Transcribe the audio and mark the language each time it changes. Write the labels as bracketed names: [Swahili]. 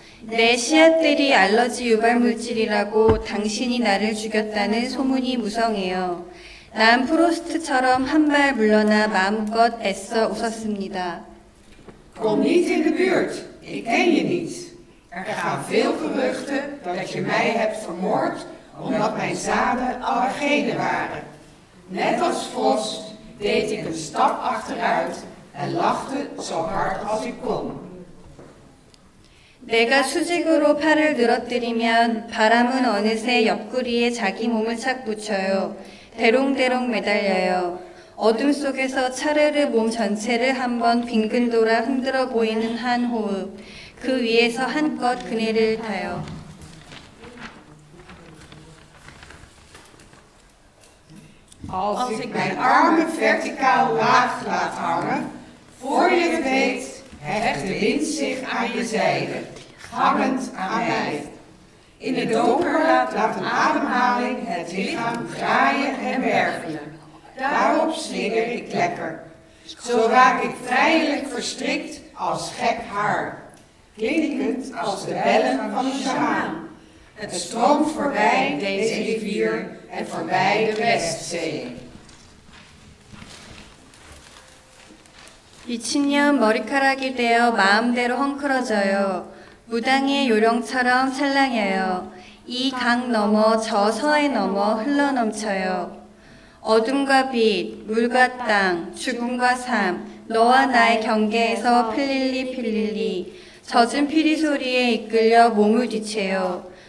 [Korean] 내 씨앗들이 알러지 유발 물질이라고 당신이 나를 죽였다는 소문이 무성해요. 난 프로스트처럼 한 발 물러나 마음껏 애써 웃었습니다. [Dutch] Kom niet in de buurt. Ik ken je niet. Er gaan veel geruchten dat je mij hebt vermoord omdat mijn zaden allergenen waren. Net als Frost deed ik een stap achteruit en lachte zo hard als ik kon. [Korean] 내가 수직으로 팔을 늘어뜨리면 바람은 어느새 옆구리에 자기 몸을 착 붙여요. 대롱대롱 매달려요. 어둠 속에서 차르르 몸 전체를 한번 빙글 돌아 흔들어 보이는 한 호흡. 그 위에서 한껏 그네를 타요. [Dutch] 알스 mijn arme verticaal laag laat hangen, voor je het weet, hecht de wind zich aan je zijde, hangend aan mij. In het donker laat een ademhaling het lichaam draaien en werken. Daarop slinger ik lekker. Zo raak ik vrijelijk verstrikt als gek haar, klinkend als de bellen van een sjamaan. Het stroomt voorbij deze rivier en voorbij de Westzee. [Korean] 미친년 머리카락이 되어 마음대로 헝클어져요. 무당의 요령처럼 찰랑해요. 이 강 넘어 저 서해 넘어 흘러넘쳐요. 어둠과 빛, 물과 땅, 죽음과 삶, 너와 나의 경계에서 필릴리 필릴리 젖은 피리 소리에 이끌려 몸을 뒤채요.